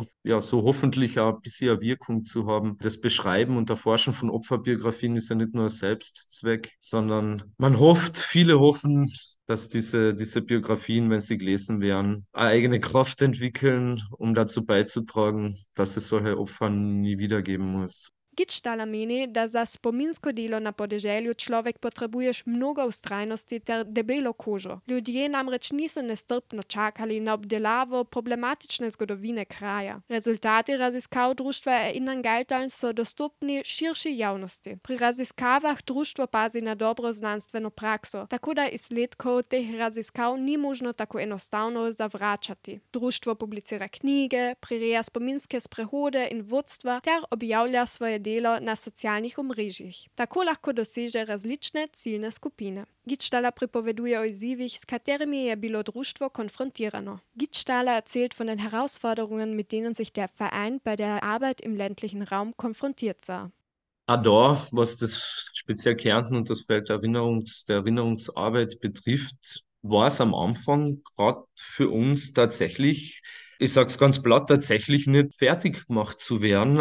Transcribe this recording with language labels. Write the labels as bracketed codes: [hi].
[de] Ja, so hoffentlich auch ein bisschen eine Wirkung zu haben. Das Beschreiben und Erforschen von Opferbiografien ist ja nicht nur ein Selbstzweck, sondern man hofft, viele hoffen, dass diese Biografien, wenn sie gelesen werden, eine eigene Kraft entwickeln, um dazu beizutragen, dass es solche Opfer nie wieder geben muss. [sl] Gitschtala meni, da za spominsko delo na podeželju človek potrebuješ mnogo vztrajnosti ter debelo kožo. Ljudje namreč niso nestrpno čakali na obdelavo problematične zgodovine kraja. Rezultati raziskav društva Erinnern Gailtal so dostopni širši javnosti. Pri raziskavah društvo pazi na dobro znanstveno prakso, tako da izsledkov teh raziskav ni možno tako enostavno zavračati. Društvo publicira knjige, prireja spominske sprehode in vodstva ter objavlja svoje delo na socialnih omrežjih. Tako lahko doseže različne ciljne skupine. Gitschtala pripoveduje o izzivih, s katerimi je bilo društvo konfrontirano. [de] Gitschtala erzählt von den Herausforderungen, mit denen sich der Verein bei der Arbeit im ländlichen Raum konfrontiert sah. Auch da, was das speziell Kärnten und das Feld der Erinnerungsarbeit betrifft, war es am Anfang gerade für uns tatsächlich, ich sage es ganz platt, tatsächlich nicht fertig gemacht zu werden.